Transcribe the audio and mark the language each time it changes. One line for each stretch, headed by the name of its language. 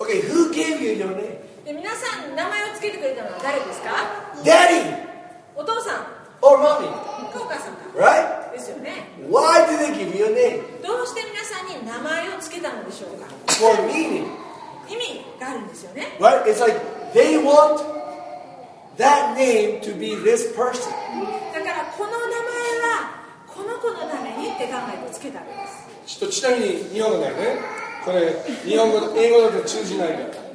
English: Okay. Who gave you your name?
Japanese: で皆さん名前をつけてくれたのは誰ですか？
English: Daddy.
Japanese: お父さん。
English: Or mommy.
Japanese: お母さんか。
English: Right.
Japanese: ですよね、
English: Why did they give you a name?
Japanese: どうして皆さんに名前をつけたのでしょうか。
English: For meaning.
Japanese: 意味があるんですよね。
English: Right? It's like they want that name to be this person.
Japanese: だからこの名前はこの子のためにって考えてつけたんです。ちなみに日本語だよね。これ日本語と英語だと通じないから、okay?